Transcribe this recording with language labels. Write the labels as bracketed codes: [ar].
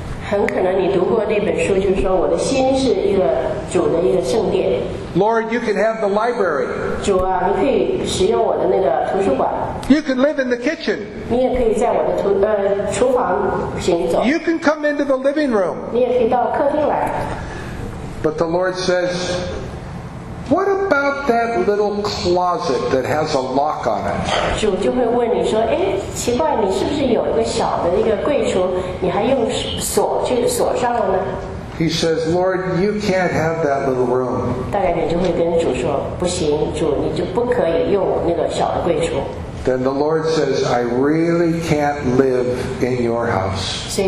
[zh] 很可能你读过那本书，就是说我的心是一个主的一个圣殿。 [en] Lord, you can have the library. [zh] 主啊，你可以使用我的那个图书馆。 [en] You can live in the kitchen. [zh] 你也可以在我的厨房行走。 [en] You can come into the living room. [zh] 你也可以到客厅来。 [en] But the Lord says, what about that little closet that has a lock on it? [zh] 主就会问你说，哎，奇怪，你是不是有一个小的一个柜橱，你还用锁去锁上了呢？ [en] He says, Lord, you can't have that little room. [zh] 大概你就会跟主说，不行，主，你就不可以用那个小的柜橱。 [en] Then the Lord says, I really can't live in your house.